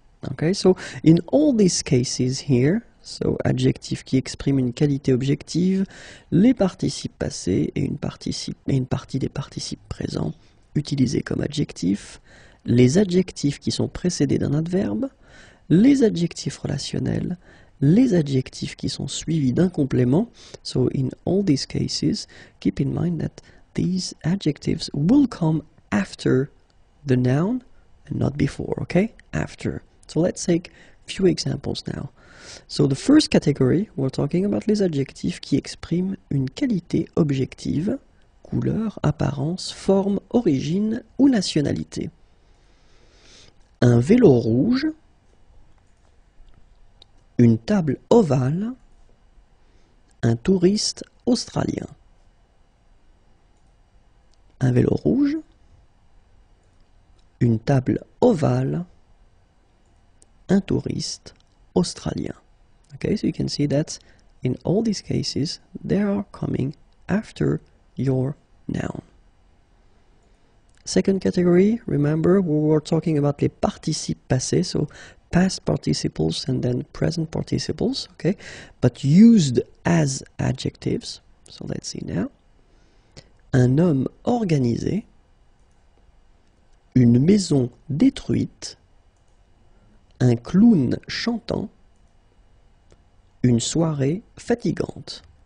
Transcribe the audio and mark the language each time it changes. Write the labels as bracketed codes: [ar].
[en] Okay, so in all these cases here, so [fr] adjectifs qui expriment une qualité objective, les participes passés et une partie des participes présents utilisés comme adjectifs, les adjectifs qui sont précédés d'un adverbe, les adjectifs relationnels, les adjectifs qui sont suivis d'un complément. [en] So in all these cases, keep in mind that these adjectives will come after the noun and not before, okay? After. So let's take a few examples now. So the first category, we're talking about [fr] les adjectifs qui expriment une qualité objective, couleur, apparence, forme, origine ou nationalité. Un vélo rouge, une table ovale, un touriste australien. Un vélo rouge, une table ovale, un touriste australien. [en] Okay, so you can see that in all these cases, they are coming after your noun. Second category, remember, we were talking about [fr] les participes passés, [en] so past participles and then present participles, okay, but used as adjectives. So let's see now. [fr] Un homme organisé, une maison détruite, un clown chantant, une soirée fatigante.